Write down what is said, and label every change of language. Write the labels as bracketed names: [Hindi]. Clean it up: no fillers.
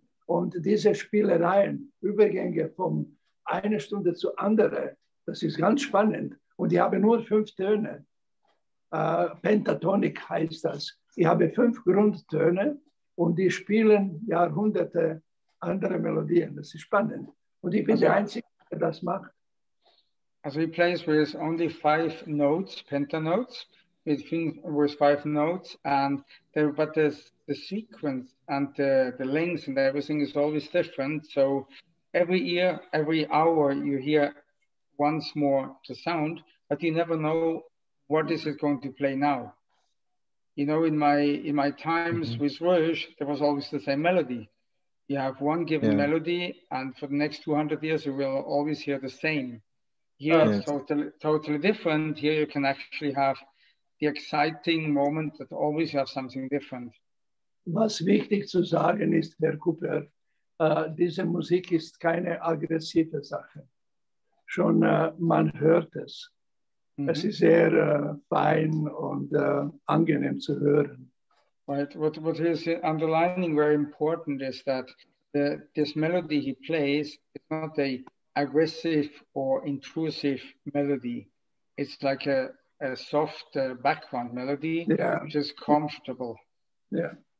[German] Und diese Spielereien, Übergänge von einer Stunde zu anderen, das ist ganz spannend. Und ich habe nur 5 Töne. Pentatonik heißt das. Ich habe 5 Grundtöne und die spielen Jahrhunderte andere Melodien. Das ist spannend. Und ich bin der Einzige, der das macht. [English] Also he plays with only 5 notes, pentanotes, with 5 notes, and but the sequence and the length and everything is always different. So every year, every hour, you hear once more the sound, but you never know what is it going to play now. You know, in my times mm-hmm. with Roche, there was always the same melody. You have one given melody, and for the next 200 years, you will always hear the same. Here it's totally different. Here you can actually have the exciting moment that always you have something different. [German] Was wichtig zu sagen ist, Herr Cooper, diese Musik ist keine aggressive Sache. Schon man hört es. Mm-hmm. Es ist sehr fein und angenehm zu hören. [English] Right. What is underlining very important is that this melody he plays is not a aggressive or intrusive melody. It's like a soft background melody, which is comfortable. Yeah.